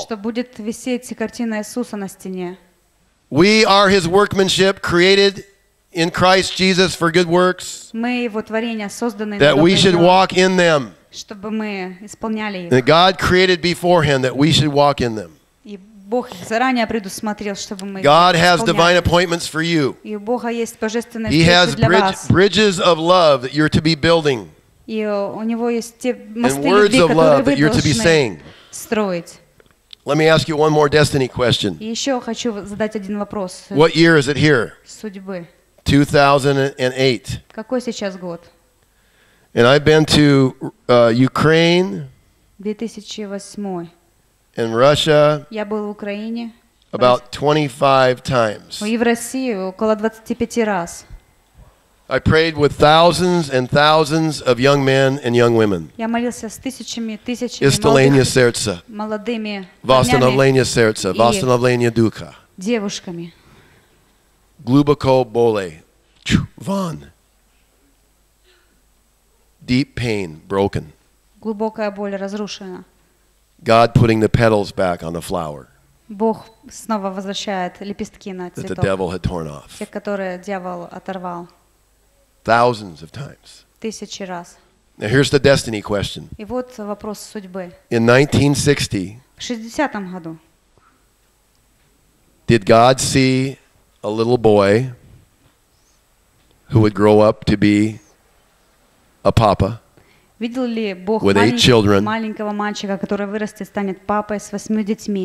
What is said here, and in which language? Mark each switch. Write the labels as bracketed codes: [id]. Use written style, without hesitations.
[ru] Что будет висеть картина Иисуса на стене. [en] We are His workmanship, created in Christ Jesus for good works. [ru] Мы Его творение, созданное. [en] That we should walk in them. [ru] Чтобы мы исполняли их. [en] That God created beforehand that we should walk in them. [ru] И Бог заранее предусмотрел, чтобы мы исполняли. [en] God has divine appointments for you. [ru] И у Бога есть божественные для вас. [en] He has bridges of love that you're to be building. [ru] И у него есть те мосты любви, которые вы должны строить. [en] Let me ask you one more destiny question. [ru] И еще хочу задать один вопрос. [en] What year is it here? [ru] Судьбы. [en] 2008. [ru] Какой сейчас год? [en] And I've been to Ukraine. [ru] 2008. [en] And Russia. [ru] Я был в Украине. [en] About 25 times. [ru] И в России около 25 раз. [en] I prayed with thousands and thousands of young men and young women. [ru] Я молился с тысячами, тысячами молодыми. Восстановление сердца, восстановление духа. Девушками. Глубоко боли. Ван. [en] Deep pain, broken. [ru] Глубокая боль разрушена. [en] God putting the petals back on the flower. [ru] Бог снова возвращает лепестки на цветок. [en] That the devil had torn off. [ru] Те, которые дьявол оторвал. [en] Thousands of times. [ru] Тысячи раз. [en] Now here's the destiny question. [ru] И вот вопрос судьбы. [en] In 1960. [ru] В 60-м году. [en] Did God see a little boy who would grow up to be a papa? [ru] Видел ли Бог маленького мальчика, который вырастет, станет папой с 8 детьми?